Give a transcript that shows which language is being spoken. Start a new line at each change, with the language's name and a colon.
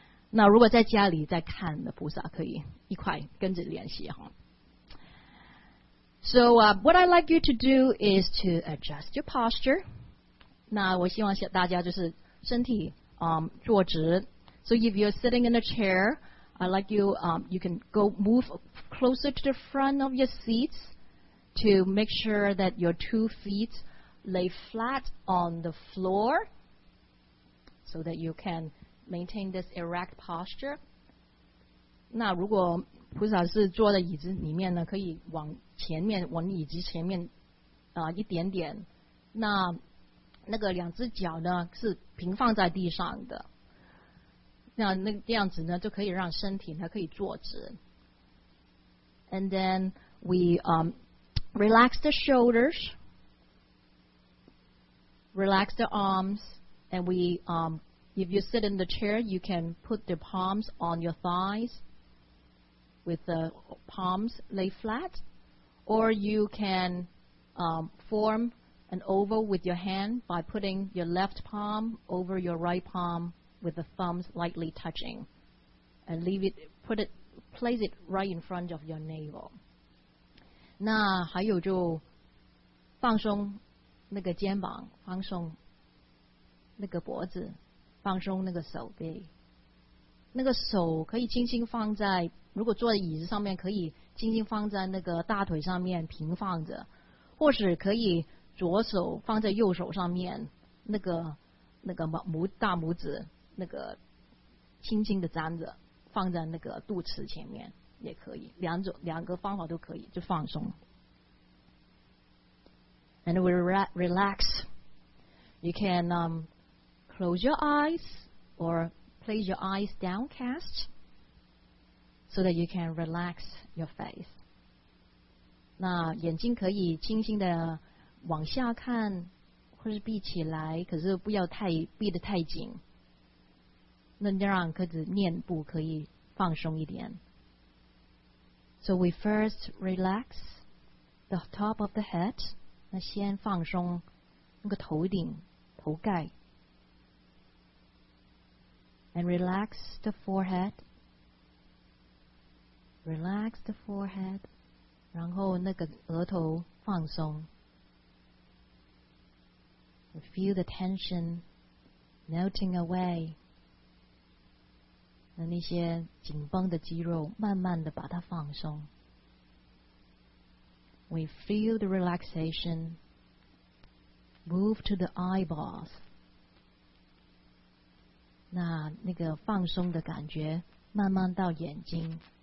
Chinese: 那如果在家里在看的菩萨可以一块跟着练习哈。
English: So what I'd like you to do is to adjust your posture。
Chinese: 那我希望大家就是身体坐直。
English: So if you're sitting in a chair。 I like you, you can go move closer to the front of your seats to make sure that your two feet lay flat on the floor so that you can maintain this erect posture.
Chinese: 那如果菩萨是坐在椅子里面呢，可以往前面，往椅子前面一点点。那个两只脚呢是平放在地上的。那这样子呢就可以让身体呢可以坐直。
English: And then we relax the shoulders, relax the arms, and we if you sit in the chair, you can put the palms on your thighs with the palms lay flat, or you can form an oval with your hand by putting your left palm over your right palmwith the thumbs lightly touching and place it right in front of your navel.
Chinese: 那还有就放松那个肩膀，放松那个脖子，放松那个手臂。那个手可以轻轻放在，如果坐在椅子上面可以轻轻放在那个大腿上面平放着，或是可以左手放在右手上面，那个大拇指那个轻轻的粘着，放在那个肚脐前面也可以，两个方法都可以，就放松。
English: And we relax. You can close your eyes or place your eyes downcast so that you can relax your face.
Chinese: 那眼睛可以轻轻的往下看或是闭起来，可是不要太闭得太紧，那让可是面部可以放松一点。
English: So we first relax the top of the head.
Chinese: 那先放松那个头顶头盖。
English: And relax the forehead. Relax the forehead.
Chinese: 然后那个额头放松。
English: We feel the tension melting away.
Chinese: 那那些紧绷的肌肉慢慢的把它放松。
English: We feel the relaxation move to the eyeballs.
Chinese: 那那个放松的感觉慢慢到眼睛。